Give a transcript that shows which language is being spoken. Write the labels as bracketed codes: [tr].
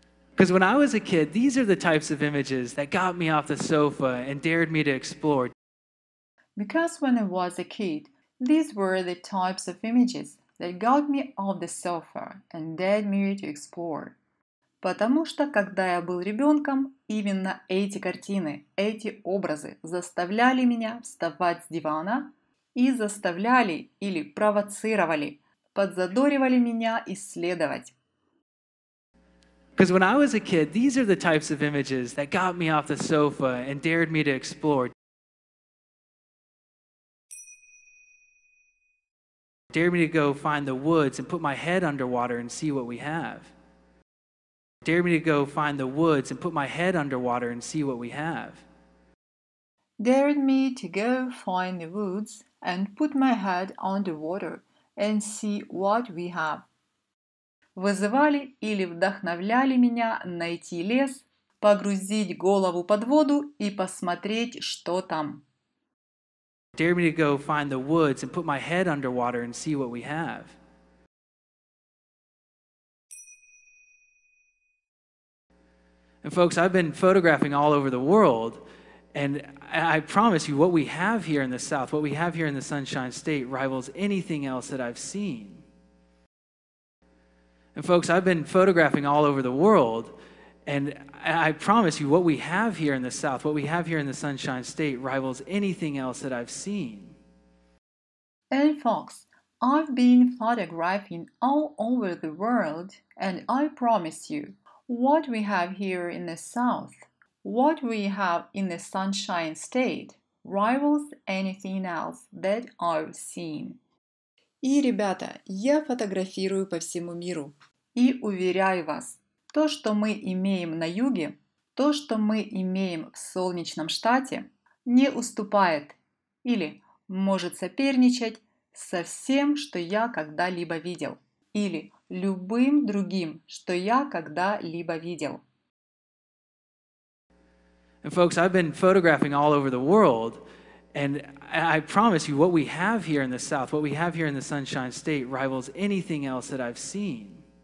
[en] Because when I was a kid, these are the types of images that got me off the sofa and dared me to explore. Because when I was a kid, these were the types of images that got me off the sofa and dared me to explore. [ru] Потому что когда я был ребенком, именно эти картины, эти образы заставляли меня вставать с дивана и заставляли или провоцировали, подзадоривали меня исследовать. [en] Because when I was a kid, these are the types of images that got me off the sofa and dared me to explore. Dared me to go find the woods and put my head underwater and see what we have. Dared me to go find the woods and put my head underwater and see what we have. Dared me to go find the woods and put my head underwater and see what we have. [ru] Вызывали или вдохновляли меня найти лес, погрузить голову под воду и посмотреть, что там. [en] Dare me to go find the woods and put my head underwater and see what we have. And folks, I've been photographing all over the world. And I promise you, what we have here in the South, what we have here in the Sunshine State, rivals anything else that I've seen. And folks, I've been photographing all over the world, and I promise you, what we have here in the South, what we have here in the Sunshine State, rivals anything else that I've seen. And folks, I've been photographing all over the world, and I promise you, what we have here in the South, what we have in the Sunshine State rivals anything else that I've seen. [ru] И, ребята, я фотографирую по всему миру. И уверяю вас, то, что мы имеем на юге, то, что мы имеем в солнечном штате, не уступает или может соперничать со всем, что я когда-либо видел, или любым другим, что я когда-либо видел. [en] And folks, I've been photographing all over the world, and I promise you, what we have here in the South, what we have here in the Sunshine State, rivals anything else that I've seen.